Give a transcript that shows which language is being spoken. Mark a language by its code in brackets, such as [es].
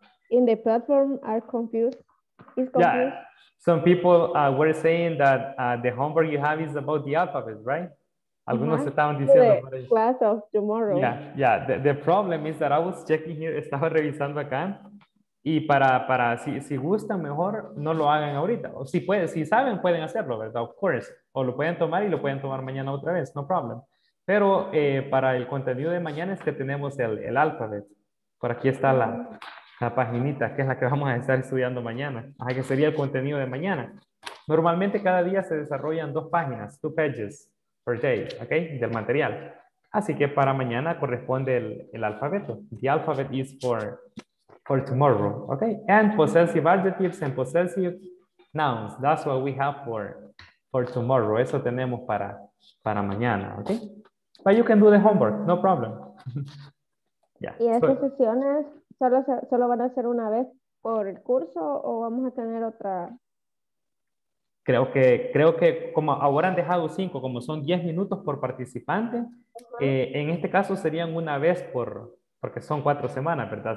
[en] In the platform are confused. It's confused. Yeah. Some people were saying that the homework you have is about the alphabet, right? [es] Algunos estaban diciendo [en] the class of tomorrow. Yeah. The problem is that I was checking here, [es] estaba revisando acá. Y para si gustan mejor, no lo hagan ahorita. O si saben, pueden hacerlo, ¿verdad? [en] Of course. [es] O lo pueden tomar y lo pueden tomar mañana otra vez, no problem. Pero para el contenido de mañana es que tenemos el alfabet. Por aquí está la paginita, que es la que vamos a estar estudiando mañana. Ajá, que sería el contenido de mañana. Normalmente cada día se desarrollan dos páginas, [en] two pages. [es] Per day, okay, del material. Así que para mañana corresponde el alfabeto. [en] The alphabet is for tomorrow, okay? And possessive adjectives and possessive nouns. That's what we have for tomorrow. [es] Eso tenemos para mañana, [en] okay? But you can do the homework, no problem. Yeah. [es] ¿Y esas sesiones solo van a ser una vez por el curso o vamos a tener otra? Creo que como ahora han dejado 5, como son 10 minutos por participante, en este caso serían una vez porque son 4 semanas, ¿verdad?